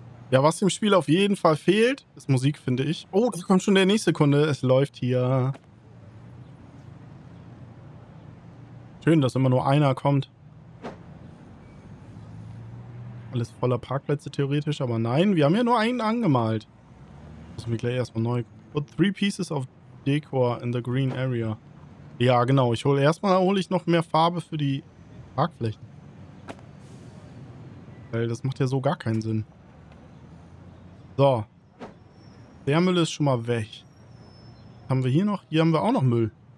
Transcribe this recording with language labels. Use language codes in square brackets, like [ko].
[de] Ja, was dem Spiel auf jeden Fall fehlt, ist Musik, finde ich. Oh, da kommt schon der nächste Kunde. Es läuft hier. Schön, dass immer nur einer kommt. Alles voller Parkplätze theoretisch, aber nein, wir haben ja nur einen angemalt. Muss mich gleich erstmal neu. [en] Put 3 pieces of decor in the green area. [de] Ja, genau. Ich hole erstmal noch mehr Farbe für die Parkflächen. Weil das macht ja so gar keinen Sinn. So. Der Müll ist schon mal weg. Was haben wir hier noch? Hier haben wir auch noch Müll.